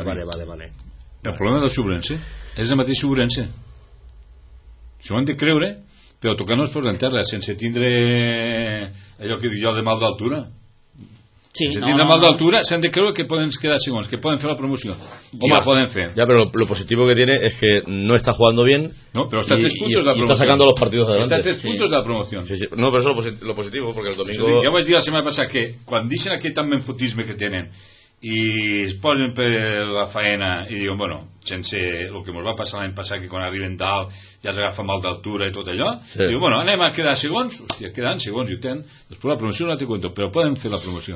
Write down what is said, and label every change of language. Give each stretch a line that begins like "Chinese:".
Catalan: Sí. Vale, vale, vale. El problema del Sobrense és el mateix Sobrense. S'ho han de creure, però tocant els peus en terra, sense tindre allò que dic jo de mal d'altura. Sí, sense tindre mal d'altura, s'han de creure que poden quedar segons, que poden fer la promoció. Home, la poden fer.
Spanish: Ja, però lo positivo que tiene es que no está jugando bien.
Catalan: No, però està a 3 puntos de la promoció.
Spanish: Y está sacando los partidos adelante. Está a 3 puntos de la promoció. Sí, sí. No, però eso lo positivo, porque el domingo...
Catalan: Sí, ja vaig dir la setmana passada que quan dicen aquest tan menfutisme que tenen i es posen per la faena i diuen, bueno, sense el que ens va passar l'any passat, que quan arriben dalt ja s'agafa mal d'altura i tot allò, sí. Diuen, bueno, anem a quedar segons, hòstia, queden segons i ho tenen, després la promoció no la té compte, però poden fer la promoció.